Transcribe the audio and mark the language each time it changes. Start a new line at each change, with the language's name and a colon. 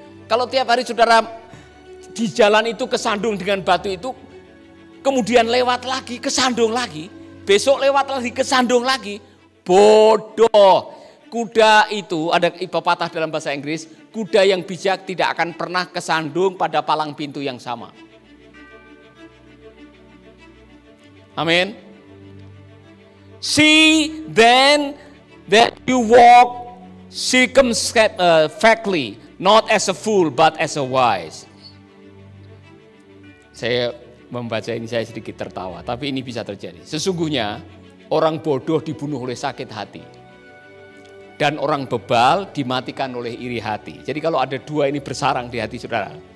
Indonesian: Kalau tiap hari saudara di jalan itu kesandung dengan batu itu, kemudian lewat lagi, kesandung lagi, besok lewat lagi, kesandung lagi, bodoh. Kuda itu, ada pepatah dalam bahasa Inggris, kuda yang bijak tidak akan pernah kesandung pada palang pintu yang sama. Amin.
English: See then that you walk circumspectly, not as a fool, but as a wise.
Indonesian: Saya membaca ini, saya sedikit tertawa, tapi ini bisa terjadi. Sesungguhnya, orang bodoh dibunuh oleh sakit hati. Dan orang bebal dimatikan oleh iri hati. Jadi kalau ada dua ini bersarang di hati saudara.